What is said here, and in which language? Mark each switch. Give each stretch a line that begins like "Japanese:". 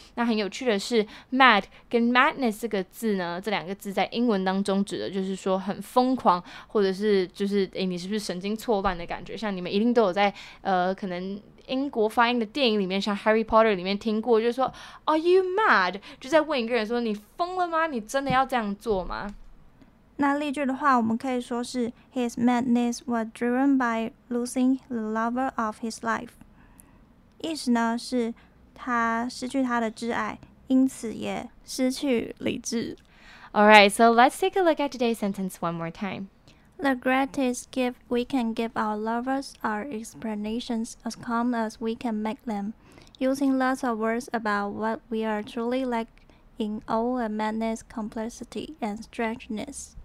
Chinese: 那很有趣的是 ，Mad 跟 Madness 这个字呢，这两个字在英文当中指的就是说很疯狂，或者是就是你是不是神经错乱的感觉？像你们一定都有在可能。英国发音的电影里面，像 Harry Potter 里面听过，就是说
English: Are you mad？
Chinese: 就在问一个人说你疯了吗？你真的要这样做吗？那例句的话，我们可以说是
English: His madness was driven by losing the lover of his life。
Chinese: 意思呢是他失去他的挚爱，因此也失去理智。
English: All right, so let's take a look at today's sentence one more time. The greatest gift we can give our lovers are explanations as calm as we can make them, using lots of words about what we are truly like in all the madness, complexity, and strangeness.